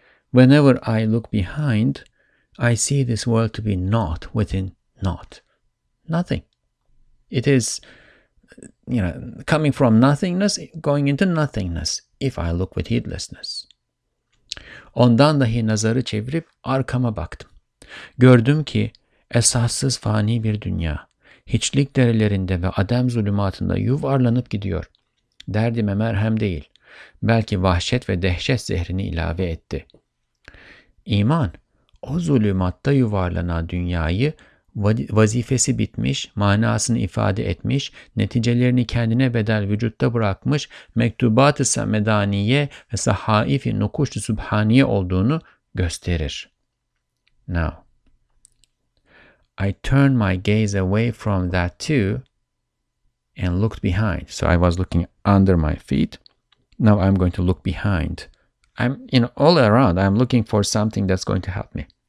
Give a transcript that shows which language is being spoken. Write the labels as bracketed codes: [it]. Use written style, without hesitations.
[en] Whenever I look behind, I see this world to be naught within naught. Nothing. It is, you know, coming from nothingness, going into nothingness, if I look with heedlessness. [tr] Ondan dahi nazarı çevirip arkama baktım. Gördüm ki esassız fani bir dünya, hiçlik derelerinde ve adem zulümatında yuvarlanıp gidiyor. Derdime merhem değil, belki vahşet ve dehşet zehrini ilave etti. İman, o zulümatta yuvarlanan dünyayı, vazifesi bitmiş, manasını ifade etmiş, neticelerini kendine bedel vücutta bırakmış, mektubat-ı semedaniye ve sahaif-i nukuş-ı subhaniye olduğunu gösterir. [en] Now, I turned my gaze away from that too and looked behind. So I was looking under my feet. Now I'm going to look behind. I'm, you know, all around. I'm looking for something that's going to help me.